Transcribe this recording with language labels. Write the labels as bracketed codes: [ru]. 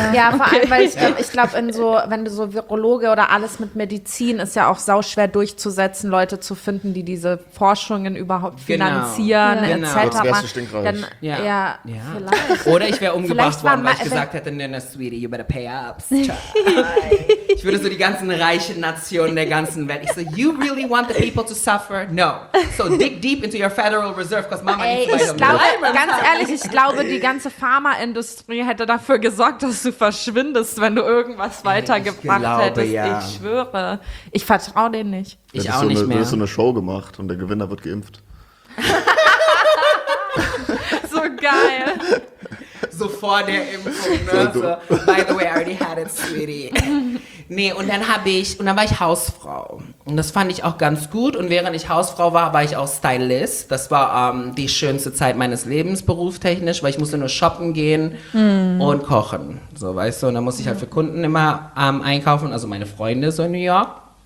[de] Ja, vor allem, weil ich glaube, wenn du so Virologe oder alles mit Medizin, ist ja auch sauschwer durchzusetzen, Leute zu finden, die diese Forschungen überhaupt finanzieren, etc. Genau. Das wärst du stinkreich. Dann, ja. Vielleicht. Oder ich wäre umgebracht worden, weil ich gesagt hätte, nee, [en] sweetie, you better pay up. [de] Ich würde so die ganzen reichen Nationen der ganzen Welt, ich so, [en] you really want the people to suffer? No. So dig deep into your Federal Reserve, because Mama needs to fight them. [de] Ganz ehrlich, ich glaube, die ganze Pharmaindustrie hätte dafür gesorgt, dass du verschwindest, wenn du irgendwas weitergebracht hättest. Ja. Ich schwöre. Ich vertraue denen nicht. Ich auch nicht mehr. Du hast so eine Show gemacht und der Gewinner wird geimpft. So geil. So vor der Impfung. [en] So, by the way, I already had it, sweetie. [de] Nee, und dann war ich Hausfrau. Und das fand ich auch ganz gut. Und während ich Hausfrau war, war ich auch Stylist. Das war die schönste Zeit meines Lebens beruftechnisch, weil ich musste nur shoppen gehen und kochen. So, weißt du, und dann musste ich halt für Kunden immer einkaufen, also meine Freunde so in New York.